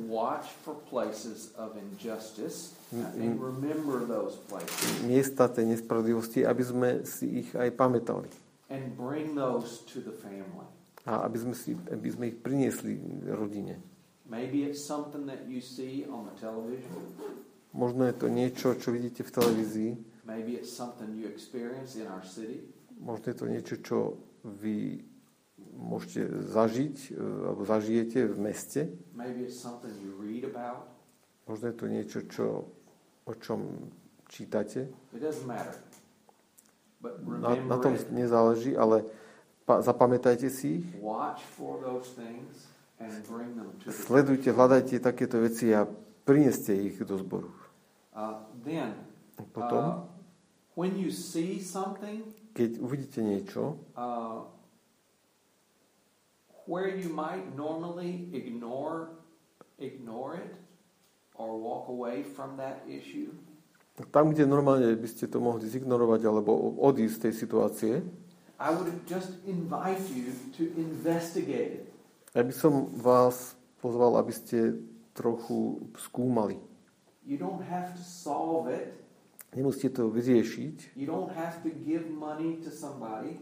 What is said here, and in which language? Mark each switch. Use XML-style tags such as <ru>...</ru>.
<en>Watch for places of injustice and remember those places.</en> <sk>Miesta tej nespravodlivosti, aby sme si ich aj pamätali.</sk> <en>And bring those to the family.</en> <sk>A aby sme ich priniesli rodine.</sk> <en>Maybe it's something that you see on the television.</en> <sk>Možno je to niečo, čo vidíte v televízii.</sk> <en>Maybe it's something you experience in our city.</en> <sk>Možno je to niečo, čo vy môžete zažiť alebo zažijete v meste.</sk> <en>Maybe it's something you read about.</en> <sk>Možno je to niečo, čo, o čom čítate.</sk> <en>It doesn't matter. But remember,</en> <sk>na tom nezáleží, ale zapamätajte si ich.</sk> <en>Watch for those things.</en> <sk>Sledujte, hľadajte takéto veci a prineste ich do zboru.</sk> <en>Then,</en> <sk>potom,</sk> <en>when you see something,</en> <sk>keď uvidíte niečo,</sk> <en>where you might normally ignore it or walk away from that issue,</en> <sk>tam, kde normálne by ste to mohli zignorovať alebo odísť z tej situácie,</sk> <en>I would just invite you to investigate it.</en> <sk>Ja by som vás pozval, aby ste trochu skúmali.</sk> <en>You don't have to solve it.</en> <sk>Nemusíte to vyriešiť.</sk> <en>You don't have to give money to somebody.</en>